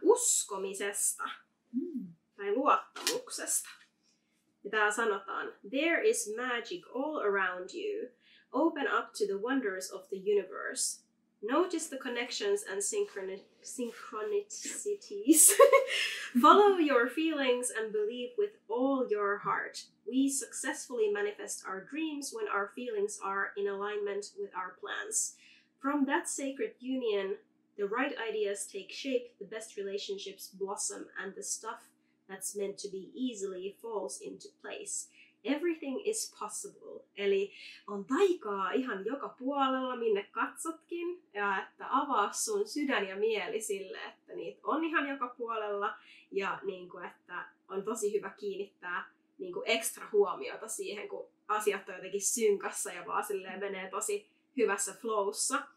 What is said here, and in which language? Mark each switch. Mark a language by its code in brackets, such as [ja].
[fi] uskomisesta tai luottamuksesta. Ja täällä sanotaan, [en] there is magic all around you. Open up to the wonders of the universe. Notice the connections and synchronicities. Follow your feelings and believe with all your heart. We successfully manifest our dreams when our feelings are in alignment with our plans. From that sacred union, the right ideas take shape, the best relationships blossom, and the stuff that's meant to be easily falls into place. Everything is possible. [fi] Eli on taikaa ihan joka puolella, minne katsotkin. Ja että avaa sun sydän ja mieli sille, että niitä on ihan joka puolella. Ja niin kuin, että on tosi hyvä kiinnittää niin kuin ekstra huomiota siihen, kun asiat on jotenkin synkassa ja vaan silleen menee tosi hyvässä flowssa.